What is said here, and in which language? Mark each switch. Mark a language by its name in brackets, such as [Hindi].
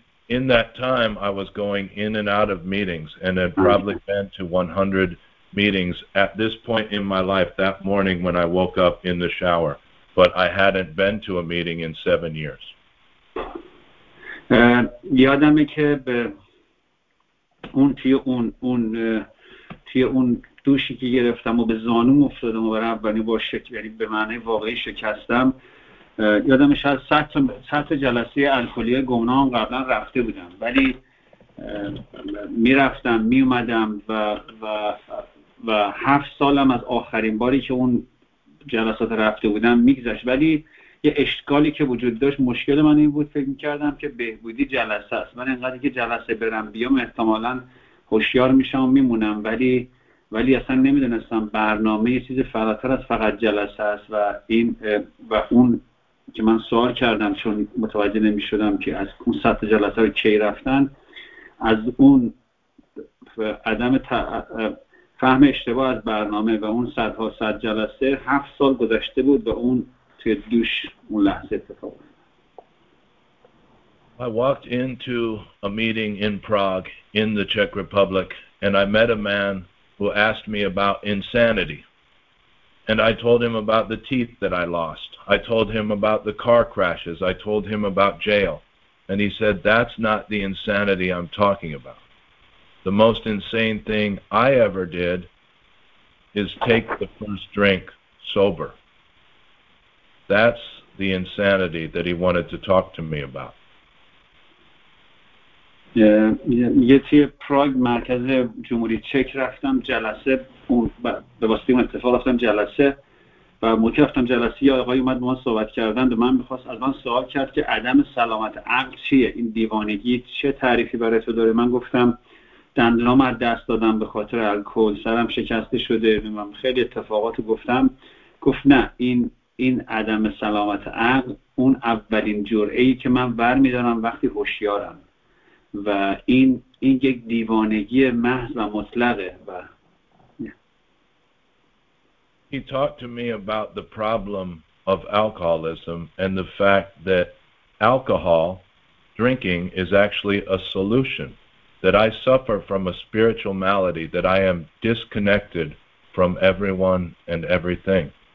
[English] In that time, I was going in and out of meetings, and had probably been to 100 meetings at this point in my life, that morning when I woke up in the shower. But I hadn't been to a meeting in 7 years. [Persian] یادمه که اون توی اون دوشی که گرفتم و به زانوم افتادم و برای اولین بار شکستم، یعنی به معنی واقعی شکستم، یادم شاید صد تا جلسه الکلی گمنام قبلا رفته بودم، ولی میرفتم میومدم و 7 سالم از آخرین باری که اون جلسات رفته بودم میگذشت، ولی یه اشکالی که وجود داشت، مشکل من این بود، فکر میکردم که بهبودی جلسه است، من انقدر که جلسه برم بیام احتمالا هوشیار میشم و میمونم، ولی اصلا نمیدونستم برنامه یه چیز فراتر از فقط جلسه است. و این و اون که من سوال کردم، چون متوجه نمی شدم که از اون سطح جلسه رو کی رفتن، از اون عدم فهم اشتباه از برنامه و اون سطح ها سطح جلسه، 7 سال گذشته بود و اون توی دوش اون لحظه اتفاق بود. [English] I walked into a meeting in Prague in the Czech Republic and I met a man who asked me about insanity. And I told him about the teeth that I lost. I told him about the car crashes. I told him about jail. And he said, that's not the insanity I'm talking about. The most insane thing I ever did is take the first drink sober. That's the insanity that he wanted to talk to me about. [Persian] یه توی پراگ مرکز جمهوری چک رفتم جلسه، به واسطه اون اتفاق رفتم جلسه و موقع رفتم جلسه یه آقای اومد با ما صحبت کردن و من میخواست از من سوال کرد که عدم سلامت عقل چیه، این دیوانگی چه تعریفی برای تو داره. من گفتم دندونام از دست دادم به خاطر الکل، سرم شکسته شده، من خیلی اتفاقات گفتم. گفت نه، این عدم سلامت عقل اون اولین جرعه‌ای که من بر میدارم وقتی هوشیارم و این یک دیوانگی محض و مطلقه. و [English] He talked to me about the problem of alcoholism and the fact that alcohol drinking is actually a solution, that I suffer from a spiritual malady, that I am disconnected from everyone and everything.